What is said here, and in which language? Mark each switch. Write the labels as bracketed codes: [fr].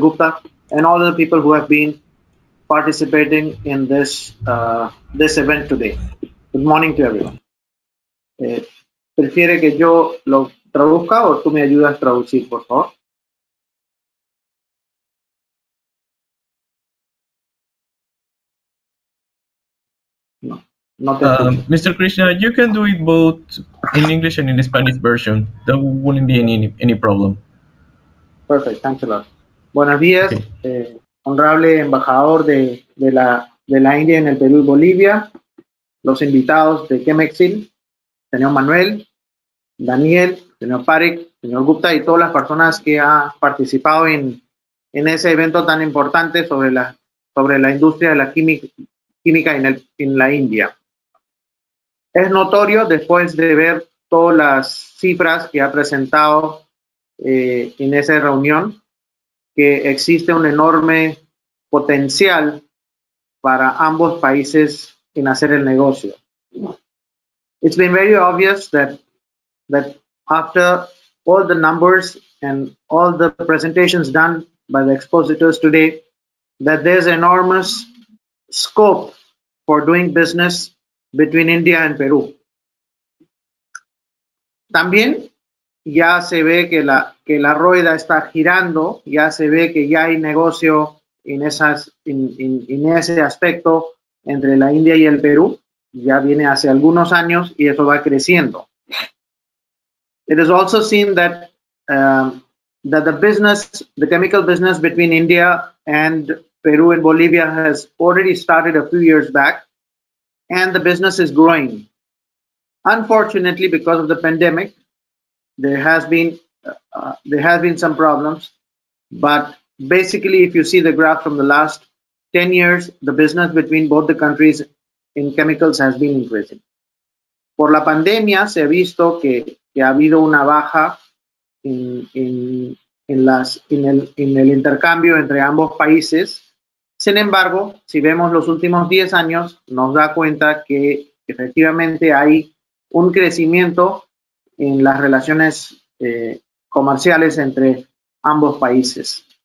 [en] Gupta, and all the people who have been participating in this this event today. Good morning to everyone. [es] ¿Prefiere que yo lo traduzca o tú me ayudas a traducir, por favor? [en] Mr. Krishna, you can do it both in English and in the Spanish version. There wouldn't be any problem. Perfect. Thanks a lot. [es] Buenos días, [en] okay. [es] Honorable embajador de la India en el Perú y Bolivia, los invitados de Chemexil, señor Manuel, Daniel, señor Parik, señor Gupta y todas las personas que han participado en ese evento tan importante sobre la industria de la química en la India. Es notorio, después de ver todas las cifras que ha presentado en esa reunión, que existe un enorme potencial para ambos países en hacer el negocio. [en] It's been very obvious that after all the numbers and all the presentations done by the expositors today, that there's enormous scope for doing business between India and Perú. [es] También ya se ve que la rueda está girando, ya se ve que ya hay negocio en ese aspecto entre la India y el Perú. Ya viene hace algunos años y eso va creciendo. [en] It is also seen that that the business, the chemical business between India and Peru and Bolivia has already started a few years back. And the business is growing. Unfortunately, because of the pandemic, there has been some problems. But basically, if you see the graph from the last 10 years, the business between both the countries in chemicals has been increasing. [es] Por la pandemia se ha visto que ha habido una baja en el intercambio entre ambos países. Sin embargo, si vemos los últimos 10 años, nos da cuenta que efectivamente hay un crecimiento en las relaciones comerciales entre ambos países.